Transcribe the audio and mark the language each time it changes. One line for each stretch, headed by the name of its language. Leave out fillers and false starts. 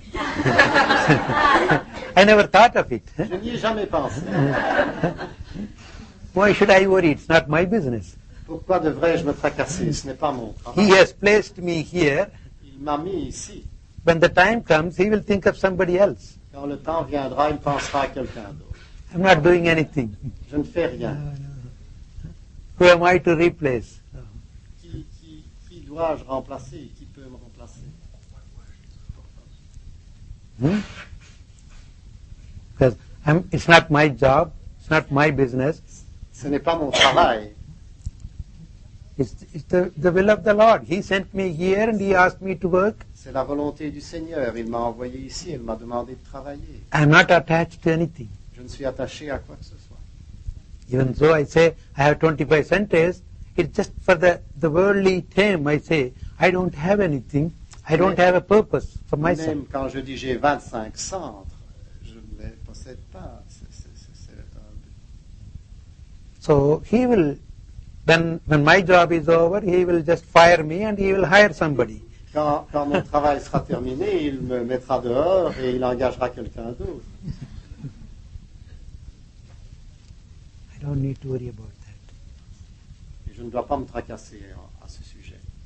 English: I never thought of it.
French: Je n'y ai jamais pensé.
English: Why should I worry? It's not my business.
French: Pourquoi devrais-je me tracasser? Ce n'est pas mon travail.
English: He has placed me here.
French: Il m'a mis ici.
English: When the time comes, he will think of somebody else.
French: Quand le temps viendra, il pensera à quelqu'un d'autre.
English: I'm not doing anything.
French: Je ne fais rien.
English: Who am I to replace?
French: Qui dois-je remplacer? Qui peut me remplacer?
English: Because it's not my job, it's not my business.
French: Ce n'est pas mon travail.
English: It's the will of the Lord. He sent me here and he asked me to work.
French: C'est la volonté du Seigneur. Il m'a envoyé ici, il m'a demandé de travailler.
English: I'm not attached to anything.
French: Je ne suis attaché à quoi que ce soit.
English: Even though I say I have 25 centes, it's just for the worldly term. I say, I don't have anything. I don't have a purpose for myself.
French: Même quand je dis j'ai 25 centres, je ne les possède pas. C'est un but.
English: So he will, when my job is over, he will just fire me and he will hire somebody.
French: Quand mon travail sera terminé, il me mettra dehors et il engagera quelqu'un d'autre.
English: I don't need to worry about that.
French: Et je ne dois pas me tracasser à ce sujet.